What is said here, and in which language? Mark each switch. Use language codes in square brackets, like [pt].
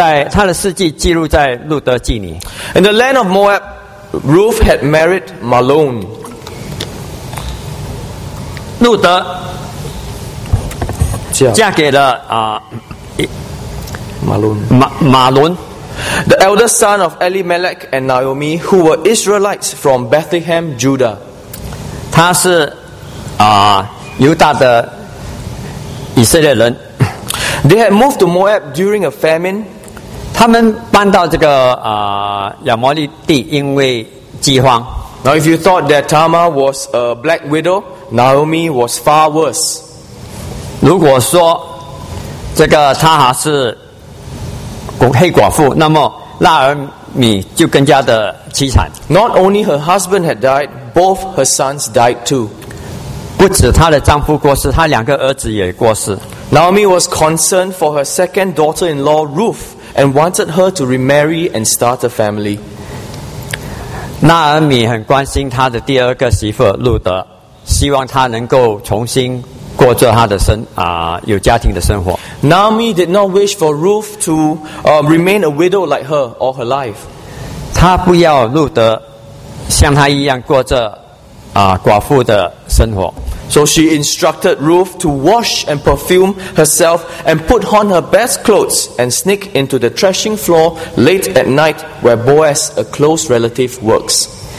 [zh] 她的事迹记录在路德记里。 [en] In the land of Moab, Ruth had married Malon. [zh] 路德嫁给了 [en] 马伦 the eldest son of Elimelech and Naomi, who were Israelites from Bethlehem, Judah. [zh] 他是犹大的以色列人。 [en] They had moved to Moab during a famine. [zh] 他们搬到这个亚摩利地，因为饥荒。 [en] Now, if you thought that Tamar was a black widow, Naomi was far worse. [zh] 如果说这个他还是黑寡妇，那么拉尔米就更加的凄惨。 [en] Not only her husband had died, both her sons died too. [zh] 不止她的丈夫过世，她两个儿子也过世。 [en] Naomi was concerned for her second daughter-in-law Ruth and wanted her to remarry and start a family. [zh] 拉尔米很关心她的第二个媳妇路德，希望她能够重新过着他的生啊、有家庭的生活。 [en] Naomi did not wish for Ruth to remain a widow like her all her life. [zh] 她不要路德像她一样过着啊、寡妇的生活。 [en] So she instructed Ruth to wash and perfume herself and put on her best clothes and sneak into the threshing floor late at night where Boaz, a close relative, works.